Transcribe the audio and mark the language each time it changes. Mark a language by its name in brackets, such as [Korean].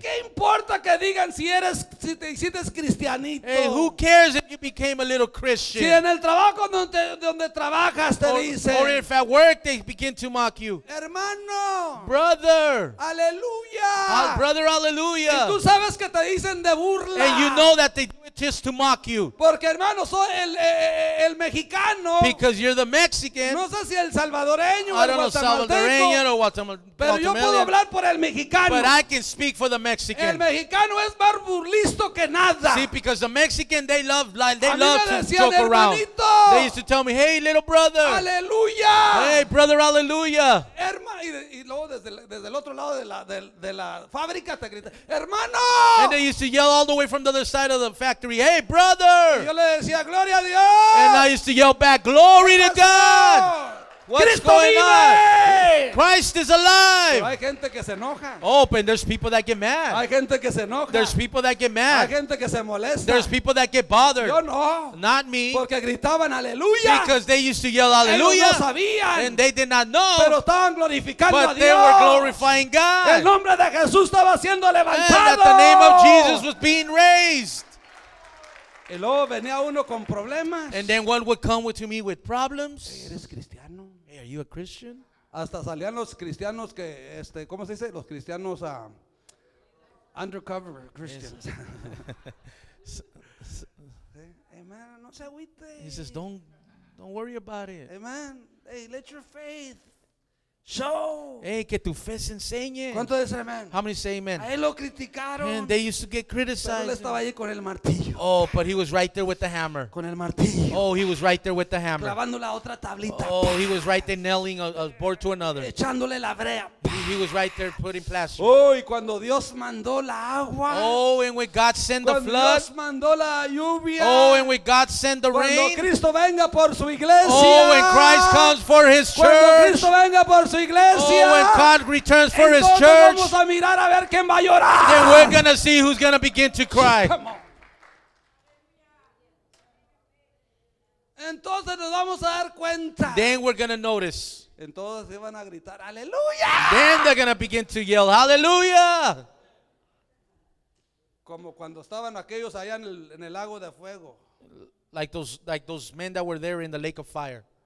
[Spanish] ¿Qué importa que digan si eres, si te hiciste cristianito? [English] Hey, who cares if you became a little Christian? [Spanish] Si en el trabajo donde trabajas te dicen. [English] Or if at work they begin to mock you. [Spanish] Hermano. [English] Brother. [Spanish] Aleluya. [English] Brother, aleluya. [Spanish] Y tú sabes que te dicen de burla. [English] And you know that they do it just to mock you. [Spanish] Porque hermano, soy el mexicano. [English] Because you're the Mexican. [Spanish] No sé si el salvadoreño o el guatemalteco. [English] Or Guatemalan. [Spanish] Pero yo puedo hablar por el mexicano. [English] But I can speak for the Mexican. [Spanish] El mexicano es más burlisto que nada. [English] See, because the Mexican, they love lying. They a love to joke around. They used to tell me, hey, little brother. [Spanish] Aleluya. [English] Hey, brother, aleluya. [Spanish] Y luego desde el otro lado de la fábrica te grita, hermano. [English] And they used to yell all the way from the other side of the factory, hey brother. [Spanish] Y yo le decía, gloria a Dios. [English] And I used to yell back, glory to God. What's [Spanish] Cristo [English] going [Spanish] vive. [English] On? Christ is alive. [Spanish] Pero hay gente que se enoja. [English] Oh, but there's people that get mad. [Spanish] Hay gente que se enoja. [English] There's people that get mad. [Spanish] Hay gente que se molesta. [English] There's people that get bothered. [Spanish] Yo no. [English] Not me. [Spanish] Porque gritaban aleluya. [English] Because they used to yell aleluya. [Spanish] Ellos no sabían. [English] And they did not know. [Spanish] Pero estaban glorificando [English] but [Spanish] a Dios. [English] They were glorifying God. [Spanish] El nombre de Jesús estaba siendo levantado. [English] And that the name of Jesus was being raised. [Spanish] Y luego venía uno con problemas. [English] And then one would come to me with problems. [Spanish] ¿Eres cristiano? [English] Hey, are you a Christian? [Spanish] Hasta salían los cristianos que, ¿cómo se dice? Los cristianos [English] undercover Christians. [Spanish] Amen. No se agüite. [English] He says, don't worry about it. Amen. Hey, let your faith Show. [Spanish] Hey, que tu fe se enseñe. ¿Cuánto dice amén? [English] How many say amen? [Spanish] A él lo criticaron. [English] And they used to get criticized. [Spanish] Pero él estaba allí con el martillo. [English] Oh, but he was right there with the hammer. [Spanish] Con el martillo. [English] Oh, he was right there with the hammer. [Spanish] Clavando la otra tablita. [English] Oh, he was right there nailing a board to another. [Spanish] Echándole la brea. [English] He was right there putting plaster. [Spanish] Oh, y cuando Dios mandó la agua. [English] Oh, and when God sent the flood. [Spanish] Cuando Dios mandó la lluvia. [English] Oh, and when God sent the rain. [Spanish] Cuando Cristo venga por su iglesia. [English] Oh, when Christ comes for his church. [Spanish] Cuando Cristo venga por su iglesia. [English] Oh, when God returns for his church. [Spanish] Entonces vamos a mirar a ver quién va a llorar. [English] Then we're going to see who's going to begin to cry. [Spanish] Entonces nos vamos a dar cuenta. [English] Then we're going to notice. [Spanish] Entonces iban a gritar aleluya. [English] Then they're going to begin to yell hallelujah. [Spanish] Como cuando estaban aquellos allá en el lago de fuego. [English] Like those men that were there in the lake of fire.